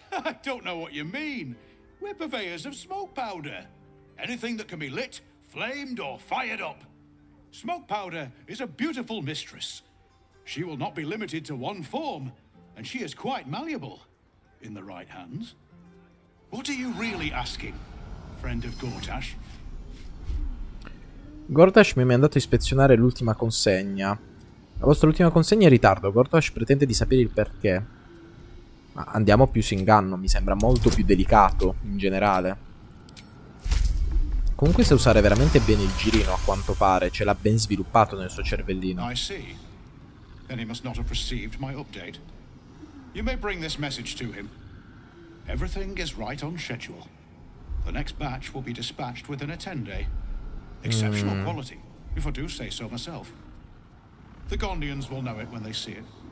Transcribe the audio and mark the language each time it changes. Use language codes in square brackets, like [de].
[en] I don't know what you mean. We're purveyors of smoke powder. Anything that can be lit, flamed or fired up. Smoke Powder is a beautiful mistress. She will not be limited to one form, and she is quite malleable in the right hands. What are you really asking, friend of Gortash? [it] Gortash mi ha mandato a ispezionare l'ultima consegna. La vostra ultima consegna è in ritardo. Gortash pretende di sapere il perché. Ma andiamo più su inganno, mi sembra molto più delicato in generale. Comunque sa usare veramente bene il girino, a quanto pare, ce l'ha ben sviluppato nel suo cervellino. [en] I see. Then he must not have received my update. You may bring this message to him. Everything is right on schedule. The next batch will be dispatched within a 10-day. Exceptional quality, if I do say so myself. The Gondians will know it when they see it.